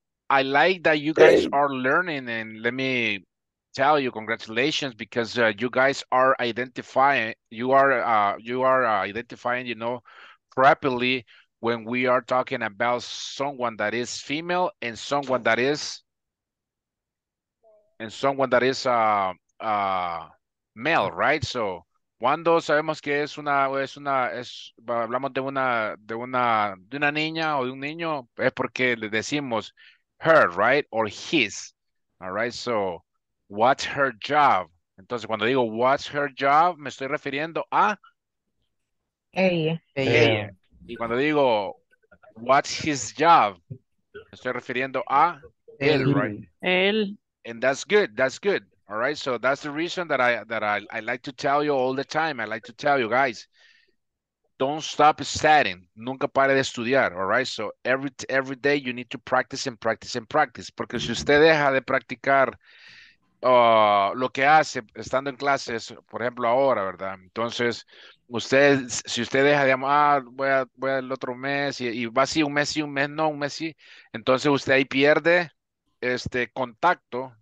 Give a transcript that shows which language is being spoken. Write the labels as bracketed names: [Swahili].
[English] I like that you guys are learning, and let me tell you, congratulations, because you guys are identifying. You are identifying. You know, properly when we are talking about someone that is female and someone that is male, right? [Spanish] So cuando sabemos que hablamos de una niña o de un niño, es porque le decimos [English] her, right? Or his. All right, so what's her job? [Spanish] Entonces cuando digo [English] what's her job, [Spanish] me estoy refiriendo a ella. Y cuando digo [English] what's his job, [Spanish] me estoy refiriendo a él, [English] right? [Spanish] Él. [English] And that's good. All right, so that's the reason that I like to tell you all the time. I like to tell you guys, don't stop studying. [Spanish] Nunca pare de estudiar, [English] all right? So every day you need to practice and practice and practice. [Spanish] Porque si usted deja de practicar lo que hace estando en clases, por ejemplo, ahora, ¿verdad? Entonces, voy al otro mes y va así un mes, entonces usted ahí pierde este contacto.